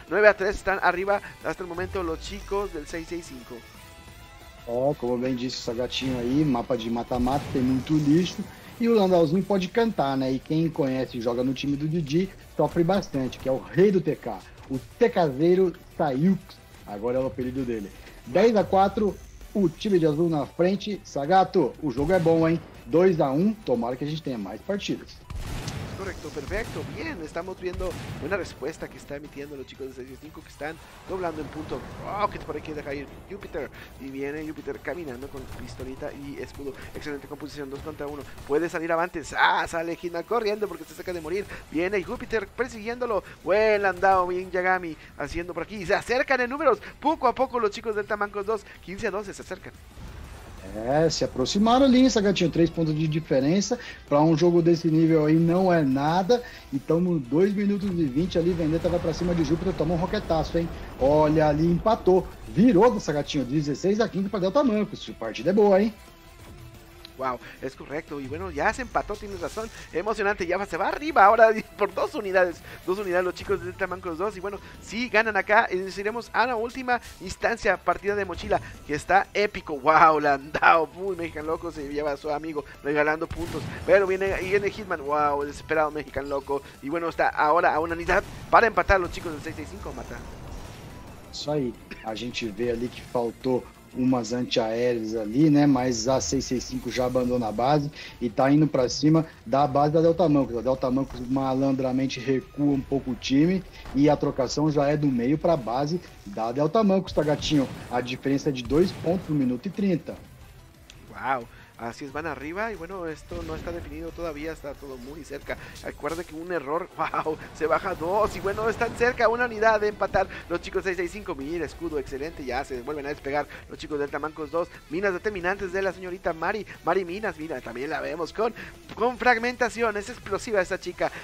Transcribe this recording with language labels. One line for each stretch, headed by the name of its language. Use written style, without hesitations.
Spanish: 9-3 están arriba hasta el momento los chicos del 665.
Portuguese: Ó, como bem disse o Sagatinho aí, mapa de mata-mata, tem muito lixo. E o Landauzinho pode cantar, né? E quem conhece e joga no time do Didi, sofre bastante, que é o rei do TK. O TKzeiro Sayux. Agora é o apelido dele. 10-4, o time de azul na frente. Sagato, o jogo é bom, hein? 2-1, tomara que a gente tenha mais partidas.
Spanish: Correcto, perfecto, bien, estamos viendo una respuesta que están emitiendo los chicos de 65 que están doblando en punto. Rocket por ahí quiere dejar ir Júpiter y viene Júpiter caminando con pistolita y escudo, excelente composición, 2-1, puede salir avante, sale Hitman corriendo porque se saca de morir, viene Júpiter persiguiéndolo, buen andado, bien Yagami haciendo por aquí, se acercan en números, poco a poco los chicos del Tamancos 2, 15-12, se acercan.
Portuguese: É, se aproximaram ali, Sagatinho, 3 pontos de diferença, pra um jogo desse nível aí não é nada, e tamo 2 minutos e 20 ali, Vendetta vai pra cima de Júpiter, toma um roquetaço, hein, olha ali, empatou, virou, Sagatinho, 16-15 pra Delta Mancos, a partida é boa, hein.
Spanish: Wow, es correcto, y bueno, ya se empató, tienes razón, emocionante, ya se va arriba ahora por 2 unidades los chicos de Delta Manco los 2, y bueno, sí, ganan acá, y nos iremos a la última instancia, partida de mochila, que está épico, wow, Landau, muy Mexican Loco, se lleva a su amigo, regalando puntos, pero viene Hitman, wow, desesperado Mexican Loco, y bueno, está ahora a 1 unidad para empatar los chicos del 665, mata.
Portuguese: Eso ahí, a gente ve ali que faltó umas antiaéreas ali, né? Mas a 665 já abandona a base e tá indo pra cima da base da Delta Mancos. A Delta Mancos malandramente recua um pouco o time e a trocação já é do meio pra base da Delta Mancos, tá, gatinho? A diferença é de 2 pontos no minuto e 30. Uau!
Spanish: Así es, van arriba y bueno, esto no está definido todavía, está todo muy cerca. Acuérdate que un error, wow, se baja 2 y bueno, están cerca, 1 unidad de empatar los chicos 665. Mira, escudo, excelente, ya se vuelven a despegar los chicos del Tamancos 2. Minas determinantes de la señorita Mari Minas, mira, también la vemos con fragmentación, es explosiva esta chica.